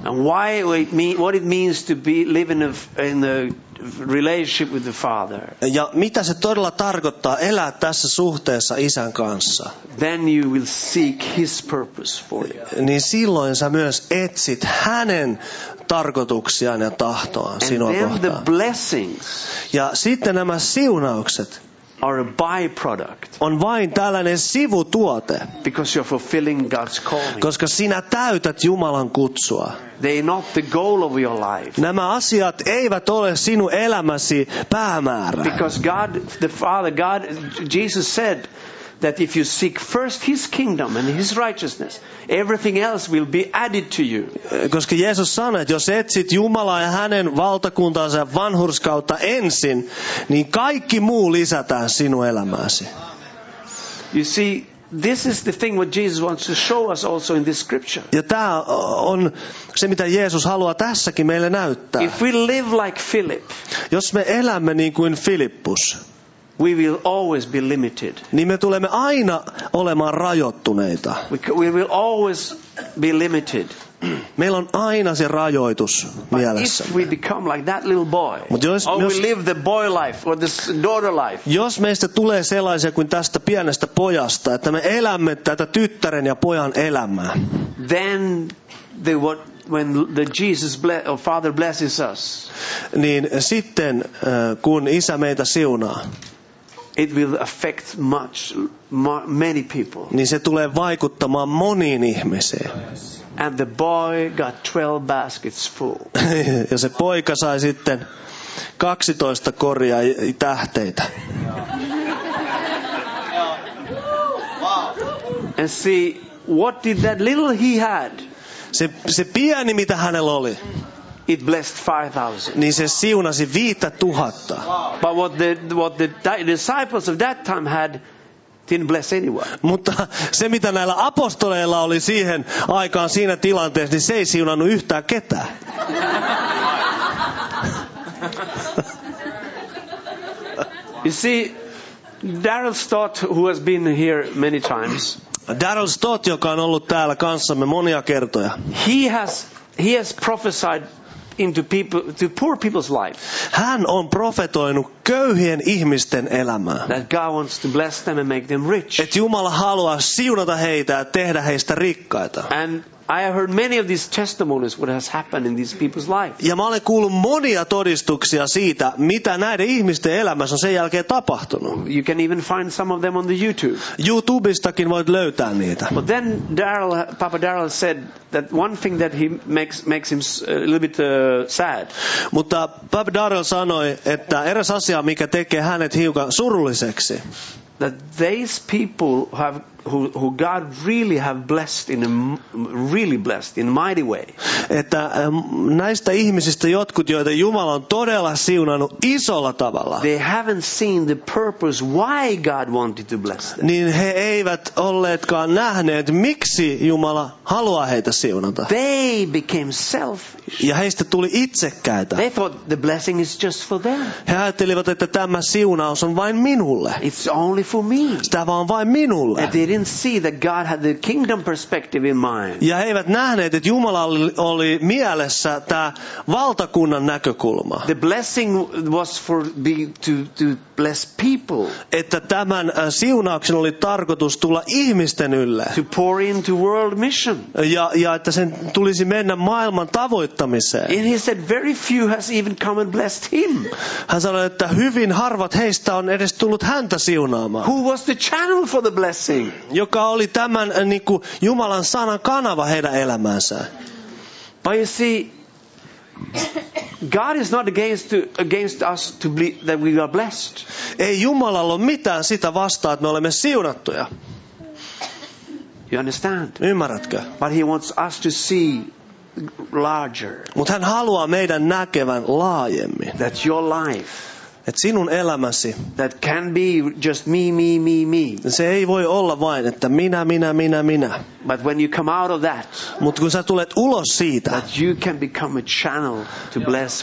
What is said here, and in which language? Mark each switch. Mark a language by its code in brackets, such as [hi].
[en] And why what it means to be living in the relationship with the Father. [fi] Ja mitä se todella tarkoittaa elää tässä suhteessa isän kanssa? [en] Then you will seek his purpose for you. [fi] Niin silloin sä myös etsit hänen tarkoituksiaan ja tahtoaan sinua kohtaan. [en] And then the blessings. [fi] Ja sitten nämä siunaukset. [en] Are a byproduct. [fi] On vain tällainen sivutuote. [en] Because you're fulfilling God's calling. [fi] Koska sinä täytät Jumalan kutsua. [en] They are not the goal of your life. [fi] Nämä asiat eivät ole sinun elämäsi päämäärä. [en] Because God, the Father, God, Jesus said that if you seek first his kingdom and his righteousness, everything else will be added to you. [fi] Koska Jeesus sanoi, että jos etsit Jumalaa ja hänen valtakuntaansa ja vanhurskautta ensin, niin kaikki muu lisätään sinun elämääsi. [en] You see, this is the thing what Jesus wants to show us also in this scripture. [fi] Ja tämä on se, mitä Jeesus haluaa tässäkin meille näyttää. [en] If we live like Philip, [fi] jos me elämme niin kuin Filippus, [en] we will always be limited. [fi] Niin me tulemme aina olemaan rajoittuneita. [en] We will always be limited. [fi] Meillä on aina se rajoitus mielessä. [en] But if we become like that little boy, or we live the boy life or the daughter life. [fi] Jos meistä tulee sellaisia kuin tästä pienestä pojasta, että me elämme tätä tyttären ja pojan elämää. [en] Then when the Jesus or Father blesses us. [fi] Niin sitten kun isä meitä siunaa. [en] It will affect much many people. [fi] Niin se tulee vaikuttamaan moniin ihmisiin. [en] And the boy got 12 baskets full. [fi] Ja se poika sai sitten 12 koria tähteitä. [en] And see, what did that little he had? [fi] Se pieni mitä hänellä oli. [en] it blessed 5,000. [fi] Niin se siunasi 5,000. [en] But what the disciples of that time had didn't bless anyone. [fi] Mutta se mitä näillä apostoleilla oli siihen aikaan siinä tilanteessa, niin se ei siunannut yhtään ketään. [en] You see, Darrell Stott, who has been here many times. [fi] Darrell Stott, joka on ollut täällä kanssamme monia kertoja. [en] He has prophesied into people, to poor people's lives. [fi] Hän on profetoinut köyhien ihmisten elämää. [en] That God wants to bless them and make them rich. [fi] Et Jumala haluaa siunata heitä ja tehdä heistä rikkaita. [en] And I have heard many of these testimonies what has happened in these people's lives. [fi] Ja mä olen kuullut monia todistuksia siitä, mitä näiden ihmisten elämässä on sen jälkeen tapahtunut. [en] You can even find some of them on the YouTube. [fi] YouTubestakin voit löytää niitä. [en] But then Papa Darrell said that one thing that he makes him a little bit sad. [fi] Mutta Papa Darrell sanoi, että eräs asia, mikä tekee hänet hiukan surulliseksi. [en] That these people have who God really have blessed in a really blessed in a mighty way. [fi] Että näistä ihmisistä jotkut, joita Jumala on todella siunannut isolla tavalla. [en] They haven't seen the purpose why God wanted to bless them. [fi] Niin he eivät olleetkaan nähneet, miksi Jumala haluaa heitä siunata. [en] They became selfish. [fi] Ja heistä tuli itsekkäitä. [en] They thought the blessing is just for them. [fi] He ajattelivat, että tämä siunaus on vain minulle. [en] It's only for me. [fi] Tämä on vain minulle. [en] They didn't see that God had the kingdom perspective in mind. [fi] Ja he eivät nähneet, että Jumala oli mielessä tämä valtakunnan näkökulma. [en] The blessing was for be to bless people. [fi] Että tämän siunauksen oli tarkoitus tulla ihmisten ylle. [en] To pour into world mission. [fi] Ja että sen tulisi mennä maailman tavoittamiseen. [en] And he said very few has even come and blessed him. [fi] Hän sanoi, että hyvin harvat heistä on edes tullut häntä siunaamaan. [en] Who was the channel for the blessing? [fi] Joka oli tämän niin kuin Jumalan sanan kanava heidän elämäänsä. [en] But you see, God is not against us to be that we are blessed. [fi] Ei Jumalalla ole mitään sitä vastaa, että me olemme siunattuja. [en] You understand? [fi] Ymmärrätkö? [en] But he wants us to see larger. [fi] Mutta hän haluaa meidän näkevän laajemmin. [en] That your life. [fi] Et sinun elämäsi. [en] That can be just me. [fi] Se ei voi olla vain, että minä. [en] But when you come out of that. [fi] Mut kun sä tulet ulos siitä. [en] That you can become a channel to bless